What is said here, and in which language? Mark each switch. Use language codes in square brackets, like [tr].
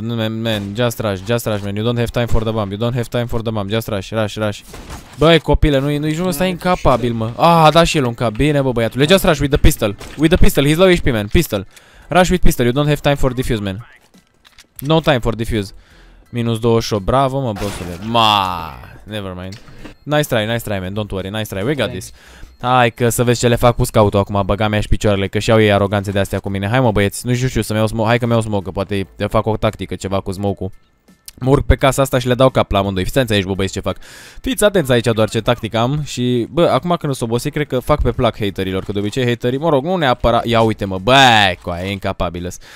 [en] Man, just rush, just rush, man. You don't have time for the bomb, you don't have time for the bomb. Just rush, rush, rush. [ro] Băi, copile, nu-i jumătate, stai incapabil, mă. Ah, da și el un cap, bine, bă, băiatule. [en] Just rush with the pistol, with the pistol, he's low HP, man. Pistol, rush with pistol, you don't have time for defuse, man. No time for defuse. -28, [ro] bravo, mă, bossule. [en] Ma, never mind. Nice try, nice try, man, don't worry, nice try, we got this. [ro] Hai că să vezi ce le fac cu scout-ul acum, băga-mi aș picioarele, că și-au ei aroganțe de-astea cu mine. Hai mă băieți, nu știu, să-mi iau smoke, hai că-mi iau smoke, că poate le fac o tactică ceva cu smoke-ul. Mă urc pe casa asta și le dau cap la amândoi, fiți atenți aici, bă, băieți, ce fac. Fiți atenți aici doar ce tactică am și, bă, acum când s-o obosit, cred că fac pe plac haterilor, că de obicei haterii, mă rog, nu neapărat, ia uite mă, bă, cu aia, e incapabilă.